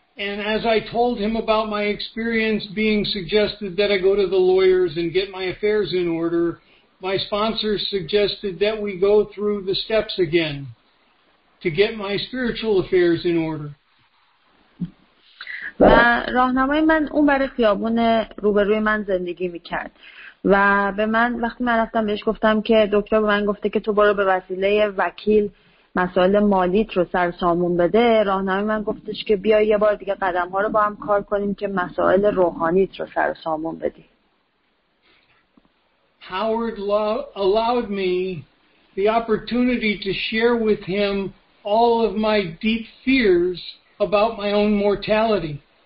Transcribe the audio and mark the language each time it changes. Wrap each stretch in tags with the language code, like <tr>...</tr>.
<en>And as I told him about my experience being suggested that I go to the lawyers and get my affairs in order, my sponsor suggested that we go through the steps again to get my spiritual affairs in order.</en> <fa>و راهنمای من اون برای خیابون روبروی من زندگی میکرد و به من وقتی من رفتم بهش گفتم که دکتر به من گفته که تو برو به وسیله وکیل مسائل مالیت رو سر سامون بده، راهنمای من گفتش که بیا یه بار دیگه قدم‌ها رو با هم کار کنیم که مسائل روحانیت رو سر سامون بدی.</fa> <en>Howard allowed me the opportunity to share with him all of my deep fears about my own mortality.</en>